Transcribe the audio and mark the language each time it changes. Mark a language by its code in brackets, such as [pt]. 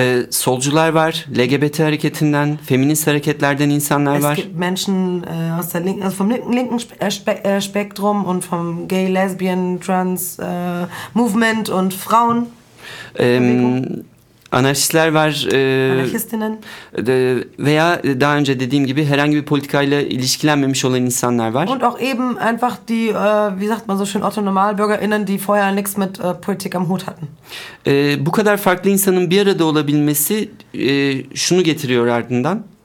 [tr] Solcular var, LGBT hareketinden, feminist hareketlerden insanlar var. [de] Es gibt Menschen aus der linken Spektrum und vom [en] gay, lesbian, trans movement [de] und Frauen. [tr] Anarşistler var. [de] Anarşistinnen. [tr] Veya daha önce dediğim gibi herhangi bir politikayla ilişkilenmemiş olan insanlar var. [de] Und auch eben einfach die, wie sagt man so schön, Otto Normalbürgerinnen, die vorher nichts mit Politik am Hut hatten. [tr] Bu kadar farklı insanın bir arada olabilmesi şunu getiriyor ardından.